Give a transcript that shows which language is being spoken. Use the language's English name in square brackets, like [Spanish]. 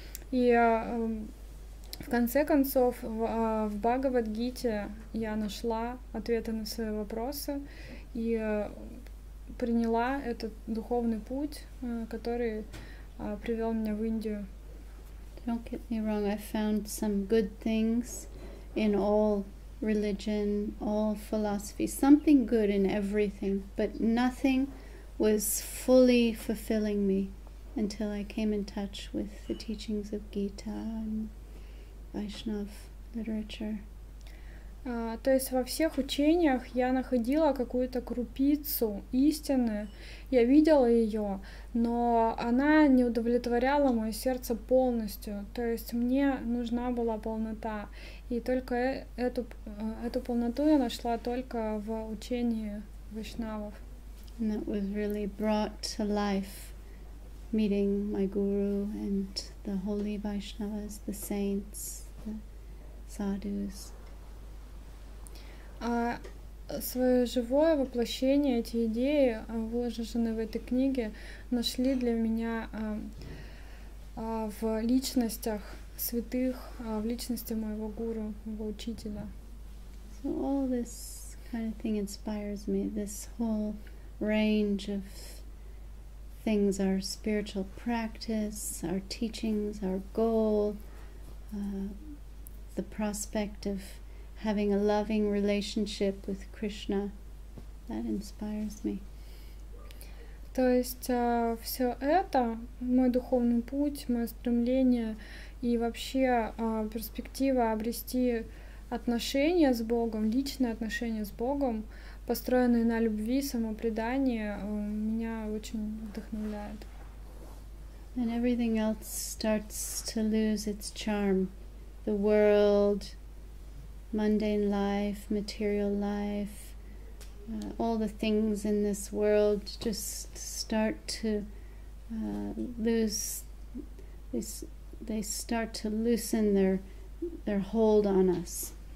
[Russian] И в конце концов, в Бхагавад-гите я нашла ответы на свои вопросы и приняла этот духовный путь, который привел меня в Индию. [English] Don't get me wrong, I found some good things in all religion, all philosophy, something good in everything, but nothing was fully fulfilling me until I came in touch with the teachings of Gita and Vaishnav literature. [Russian] То есть во всех учениях я находила какую-то крупицу истины, я видела ее, но она не удовлетворяла мое сердце полностью. То есть мне нужна была полнота, и только эту полноту я нашла только в учении вайшнавов. [English] And that was really brought to life, meeting my guru and the holy Vaishnavas, the saints, the sadhus. [Russian] А свое живое воплощение, эти идеи, выложенные в этой книге, нашли для меня в личностях святых, в личности моего гуру, моего учителя. [English] So all this kind of thing inspires me, this whole range of things, our spiritual practice, our teachings, our goal, the prospect of having a loving relationship with Krishna, that inspires me. [Russian] То есть все это, мой духовный путь, мое стремление и вообще перспектива обрести отношения с Богом, личные отношения с Богом, построенные на любви, самопредании, меня очень вдохновляет. [English] And everything else starts to lose its charm. The world, mundane life, material life, all the things in this world just start to lose, they start to loosen their hold on us.